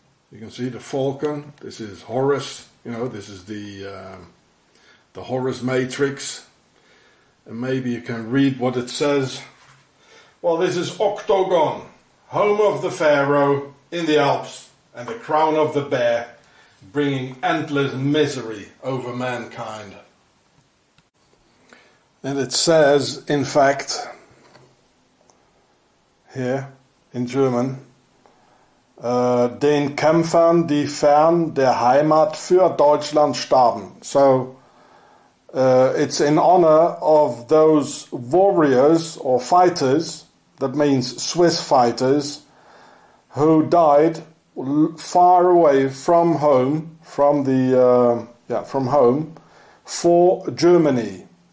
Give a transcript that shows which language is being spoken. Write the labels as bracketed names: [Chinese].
[English] You can see the Falcon. This is Horus. You know, this is the Horus Matrix. And maybe you can read what it says. Well, this is Octagon, home of the Pharaoh in the Alps, and the crown of the bear, bringing endless misery over mankind. And it says, in fact, here in German, [German] den Kämpfern, die fern der Heimat für Deutschland starben. [English] So, it's in honor of those warriors or fighters, that means Swiss fighters, who died far away from home, from home, for Germany.